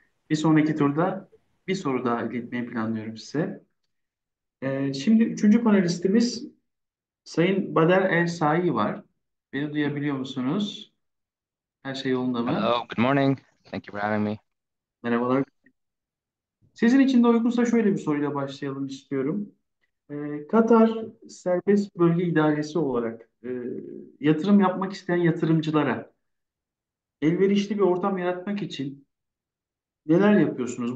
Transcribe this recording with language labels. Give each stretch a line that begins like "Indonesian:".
Turkish: Bir sonraki turda bir soru daha iletmeyi planlıyorum size. Şimdi üçüncü panelistimiz Sayın Bader El Sahi var. Beni duyabiliyor musunuz? Her şey yolunda mı?
English: Hello, good morning. Thank you for having me.
Turkish: Merhabalar. Sizin için de uygunsa şöyle bir soruyla başlayalım istiyorum. Katar serbest bölge idaresi olarak yatırım yapmak isteyen yatırımcılara elverişli bir ortam yaratmak için neler yapıyorsunuz?